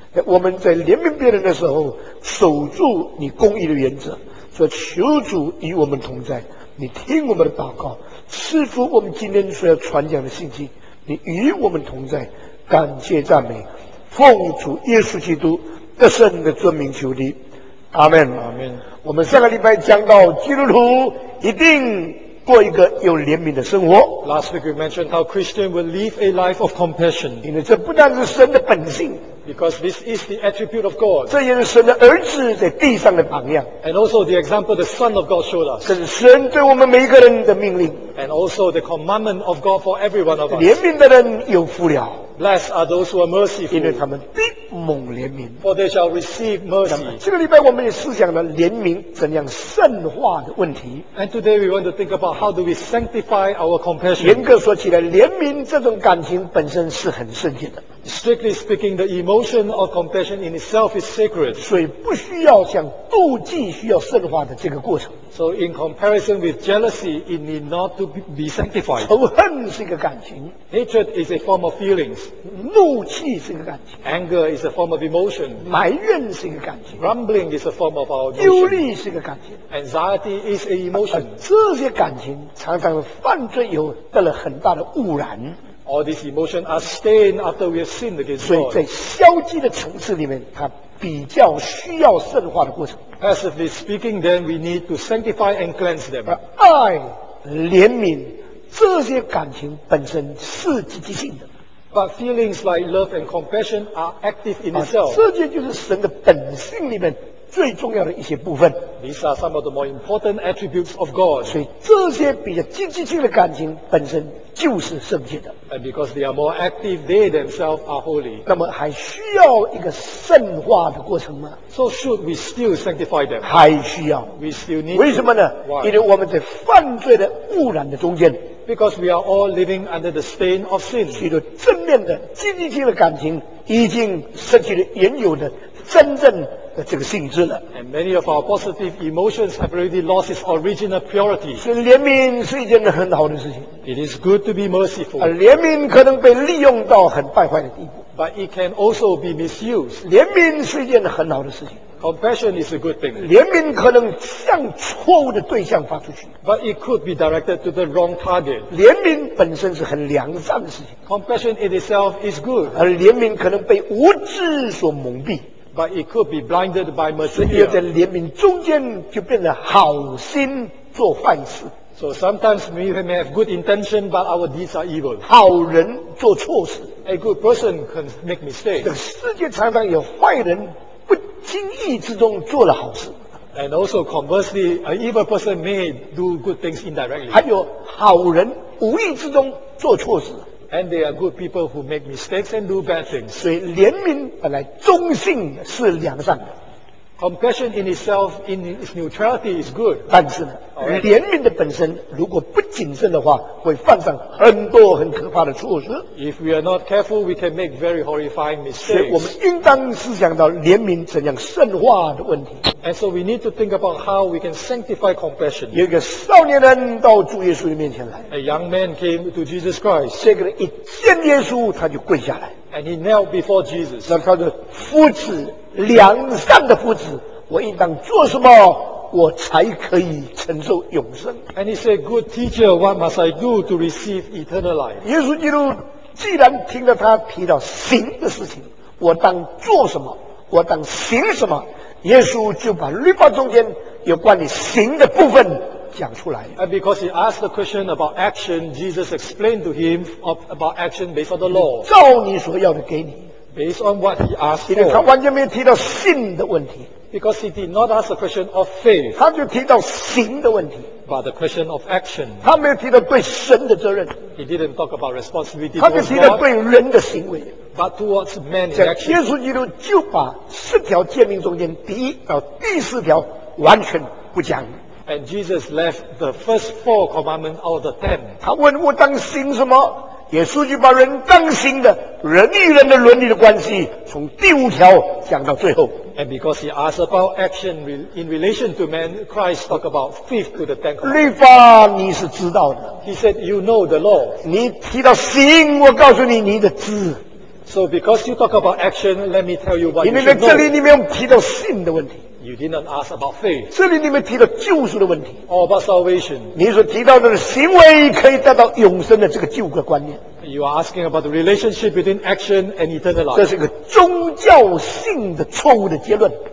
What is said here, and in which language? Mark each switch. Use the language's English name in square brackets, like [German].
[Chinese] 我们在怜悯别人的时候守住你公义的原则所以求主与我们同在你听我们的祷告赐福我们今天所要传讲的信息你与我们同在感谢赞美奉主耶稣基督得胜的尊名求你阿们阿们我们下个礼拜讲到基督徒一定过一个有怜悯的生活。 [English] Last week we mentioned how Christian will live a life of compassion. [Chinese] 因为这不但是神的本性。 [English] Because this is the attribute of God. [Chinese] 这也是神的儿子在地上的榜样。 [English] And also the example the Son of God showed us. [Chinese] 这是神对我们每个人的命令。 [English] And also the commandment of God for every one of us. [Chinese] 怜悯的人有福了。 [English] Blessed are those who are merciful. [Chinese] 因为他们必蒙怜悯。 [English] For they shall receive mercy. [Chinese] 这个礼拜我们也思想了怜悯怎样圣化的问题。 [English] And today we want to think about how do we sanctify our compassion. [Chinese] 严格说起来，怜悯这种感情本身是很圣洁的。 [English] Strictly speaking, the emotion of compassion in itself is sacred. [Chinese] 所以不需要像妒忌需要圣化的这个过程。 [English] So in comparison with jealousy, it need not to be sanctified. [Chinese] 仇恨是一个感情。 [English] Hatred is a form of feelings. [Chinese] 怒气是一个感情。 [English] Anger is a form of emotion. [Chinese] 埋怨是一个感情。 [English] Grumbling is a form of our emotion. [Chinese] 忧虑是一个感情。 [English] Anxiety is an emotion. [Chinese] 这些感情常常犯罪以后得了很大的污染。 [English] All these emotions are stained after we have sinned against God. [Chinese] 所以在消极的层次里面，它比较需要圣化的过程。 [English] Passively speaking, then we need to sanctify and cleanse them. [Chinese] 爱、怜悯这些感情本身是积极性的。 [English] But feelings like love and compassion are active in itself. [Chinese] 这些就是神的本性里面最重要的一些部分。 [English] These are some of the more important attributes of God. [Chinese] 所以这些比较积极性的感情本身就是圣洁的。 [English] And because they are more active, they themselves are holy. [Chinese] 那么还需要一个圣化的过程吗 [English] ？So should we still sanctify them? [Chinese] 还需要。 [English] We still need. [Chinese] 为什么呢 [English] ？Why? [Chinese] 因为我们在犯罪的污染的中间。 [English] Because we are all living under the stain of sin. [Chinese] 许多正面的积极性的感情已经失去了原有的真正的这个性质了。 [English] And many of our positive emotions have already lost its original purity. [Chinese] 所以怜悯是一件很好的事情。 [English] It is good to be merciful. [Chinese] 怜悯可能被利用到很败坏的地步。 [English] But it can also be misused. [Chinese] 怜悯是一件很好的事情。 [English] Compassion is a good thing. [Chinese] 怜悯可能向错误的对象发出去。 [English] But it could be directed to the wrong target. [Chinese] 怜悯本身是很良善的事情。 [English] Compassion in itself is good. [Chinese] 而怜悯可能被无知所蒙蔽。 [English] But it could be blinded by mercy. [Chinese] 所以在怜悯中间就变得好心做坏事。 [English] So sometimes we may have good intention, but our deeds are evil. [Chinese] 好人做错事。 [English] A good person can make mistakes. [Chinese] 这个世界常常有坏人不经意之中做了好事。 [English] And also conversely, an evil person may do good things indirectly. [Chinese] 还有好人无意之中做错事。 [English] And there are good people who make mistakes and do bad things. [Chinese] 所以怜悯本来中性是良善的。 [English] Compassion in itself, in its neutrality, is good. [Chinese] 但是呢，怜悯的本身如果不谨慎的话，会犯上很多很可怕的错事。 [English] If we are not careful, we can make very horrifying mistakes. [Chinese] 所以我们应当思想到怜悯怎样圣化的问题。 [English] And so we need to think about how we can sanctify compassion. [Chinese] 有一个少年人到主耶稣的面前来。 [English] A young man came to Jesus Christ. [Chinese] 这个人一见耶稣，他就跪下来。 [English] And he knelt before Jesus. [Chinese] 那他的父子。良善的父子，我应当做什么，我才可以承受永生 [English] ？And he said, "Good teacher, what must I do to receive eternal life?" [Chinese] 耶稣基督既然听了他提到行的事情，我当做什么，我当行什么？耶稣就把律法中间有关于行的部分讲出来。 [English] And because he asked the question about action, Jesus explained to him about action based on the law. [Chinese] 照你所要的给你。 [English] Based on what he asked for. [Chinese] 因为他完全没有提到信的问题。 [English] Because he did not ask a question of faith. [Chinese] 他就提到行的问题。 [English] But the question of action. [Chinese] 他没有提到对神的责任。 [English] He didn't talk about responsibility. [Chinese] 他就提到对人的行为。 [English] But towards man's action. [Chinese] 耶稣基督就把四条诫命中间第一到第四条完全不讲。 [English] And Jesus left the first four commandments out of the ten. [Chinese] 他问我当行什么？耶稣就把人当心的人与人的伦理的关系从第五条讲到最后。 [English] And because he asked about action in relation to man, Christ talked about fifth to the ten. [Chinese] 律法你是知道的。 [English] He said, "You know the law." [Chinese] 你提到行，我告诉你你的知。 [English] So because you talk about action, let me tell you what you should know. [Chinese] 因为在这里你没有提到信的问题。 [English] You did not ask about faith. [Chinese] 这里你们提到救赎的问题。 [English] All about salvation. [Chinese] 你所提到的行为可以带到永生的这个救的观念。 [English] You are asking about the relationship between action and eternal life. [Chinese] 这是一个宗教性的错误的结论。